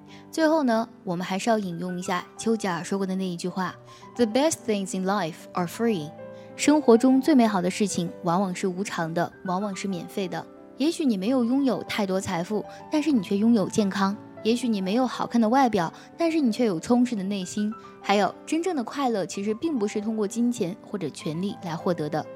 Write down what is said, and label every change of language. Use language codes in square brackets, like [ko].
[zh] 最后呢，我们还是要引用一下丘吉尔说过的那一句话。 [en] The best things in life are free. [zh] 生活中最美好的事情往往是无偿的，往往是免费的。也许你没有拥有太多财富，但是你却拥有健康。也许你没有好看的外表，但是你却有充实的内心。还有，真正的快乐其实并不是通过金钱或者权力来获得的。